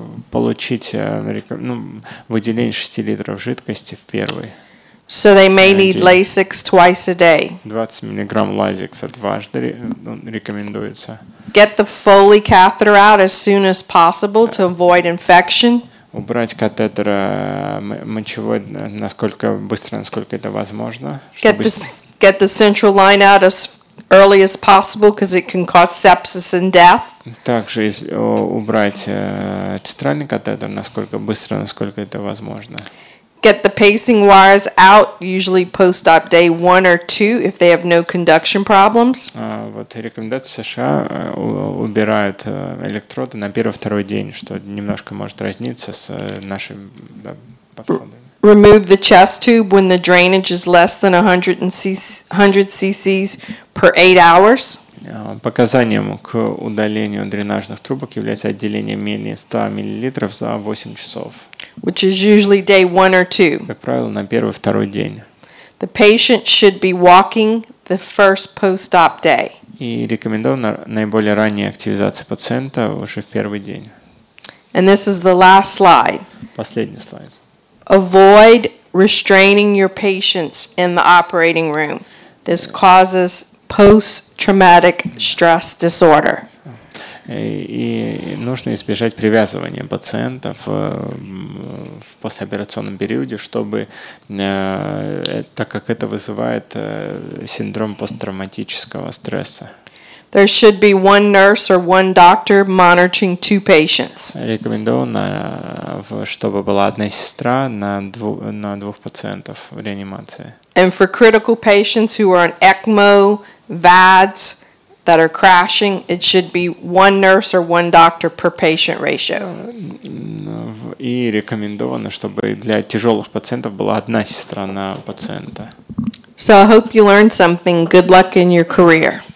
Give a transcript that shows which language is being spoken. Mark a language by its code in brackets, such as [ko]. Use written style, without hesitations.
[ru] Получить выделение 6 литров жидкости в первый. [en] So they may need Lasix twice a day. [ru] 20 миллиграмм Лазикса дважды рекомендуется. [en] Get the Foley catheter out as soon as possible to avoid infection. [ru] убрать катетер мочевой насколько быстро, насколько это возможно. [en] Get the central line out as early as possible, because it can cause sepsis and death. [ru] Также убрать центральный катетер насколько быстро, насколько это возможно. [en] Get the pacing wires out, usually post-op day 1 or 2, if they have no conduction problems. [ru] Вот рекомендация в США убирают электроды на первый-второй день, что немножко может разниться с нашим подходом. [en] Remove the chest tube when the drainage is less than 100 cc's per 8 hours. [ru] Показанием к удалению дренажных трубок является отделение менее 100 мл за 8 часов. [en] Which is usually day 1 or 2. [ru] Как правило, на первый-второй день. [en] The patient should be walking the first post-op day. [ru] И рекомендована наиболее ранняя активизация пациента уже в первый день. [en] And this is the last slide. [ru] Последний слайд. [en] Avoid restraining your patients in the operating room. This causes post-traumatic stress disorder. [ru] И нужно избежать привязывания пациентов в послеоперационном периоде, чтобы, так как это вызывает синдром посттравматического стресса. [en] There should be one nurse or one doctor monitoring 2 patients. [ru] Рекомендовано, чтобы была одна сестра на двух пациентов в реанимации. [en] And for critical patients who are on ECMO, VADs, that are crashing, it should be one nurse or one doctor per patient ratio. [ru] И рекомендовано, чтобы для тяжелых пациентов была одна сестра на пациента. [en] So I hope you learned something. Good luck in your career.